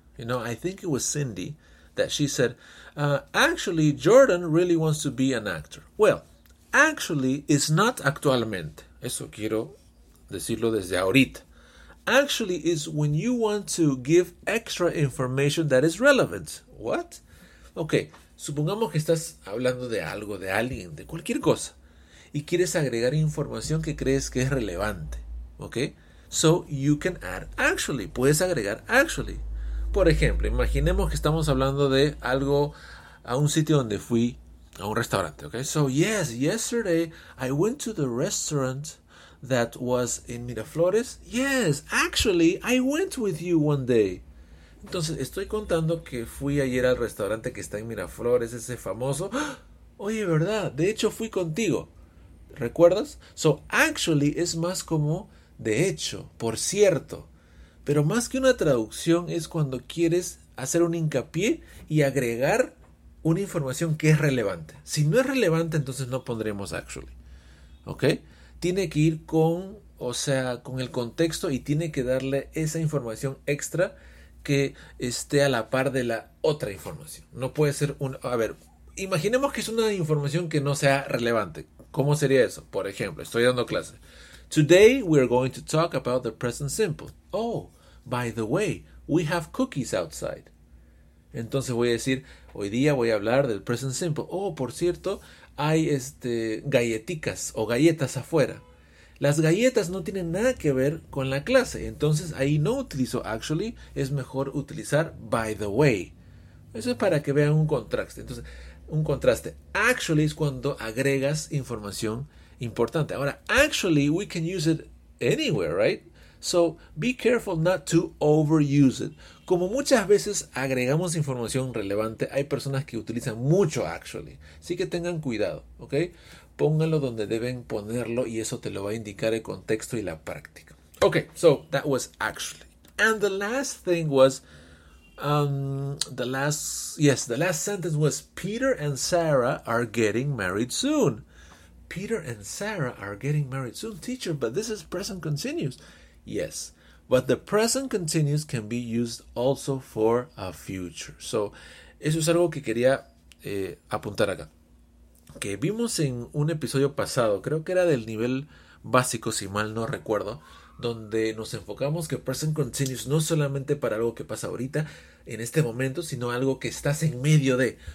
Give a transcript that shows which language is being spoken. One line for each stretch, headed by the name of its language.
English: You know, I think it was Cindy that she said, actually, Jordan really wants to be an actor. Well, actually, it's not
Spanish: actualmente. Eso quiero decirlo desde ahorita.
English: Actually, is when you want to give extra information that is relevant. What?
Spanish: Okay, supongamos que estás hablando de algo, de alguien, de cualquier cosa, y quieres agregar información que crees que es relevante. Okay?
English: So you can add actually.
Spanish: Puedes agregar
English: actually.
Spanish: Por ejemplo, imaginemos que estamos hablando de algo a un sitio donde fui a un restaurante.
English: Okay? So yes, yesterday I went to the restaurant that was in Miraflores. Yes, actually, I went with you one day.
Spanish: Entonces, estoy contando que fui ayer al restaurante que está en Miraflores, ese famoso. ¡Oh! Oye, ¿verdad? De hecho, fui contigo. ¿Recuerdas? So, actually es más como de hecho, por cierto. Pero más que una traducción es cuando quieres hacer un hincapié y agregar una información que es relevante. Si no es relevante, entonces no pondremos actually. ¿Ok? Tiene que ir con, o sea, con el contexto y tiene que darle esa información extra que esté a la par de la otra información. No puede ser un... A ver, imaginemos que es una información que no sea relevante. ¿Cómo sería eso? Por ejemplo, estoy dando clase.
English: Today we are going to talk about the present simple. Oh, by the way, we have cookies outside.
Spanish: Entonces voy a decir, hoy día voy a hablar del present simple. Oh, por cierto, hay galleticas o galletas afuera. Las galletas no tienen nada que ver con la clase. Entonces, ahí no utilizo actually. Es mejor utilizar by the way. Eso es para que vean un contraste. Entonces, un contraste. Actually es cuando agregas información importante.
English: Ahora, actually, we can use it anywhere, right? So, be careful not to overuse it.
Spanish: Como muchas veces agregamos información relevante, hay personas que utilizan mucho actually. Así que tengan cuidado, ¿ok? Pónganlo donde deben ponerlo y eso te lo va a indicar el contexto y la práctica.
English: Ok, so that was actually. And the last thing was, the last sentence was, Peter and Sarah are getting married soon. Peter and Sarah are getting married soon, teacher, but this is present continuous. Yes, but the present continuous can be used also for a future.
Spanish: So, eso es algo que quería apuntar acá. Que vimos en un episodio pasado, creo que era del nivel básico, si mal no recuerdo, donde nos enfocamos que present continuous no solamente para algo que pasa ahorita, en este momento, sino algo que estás en medio de.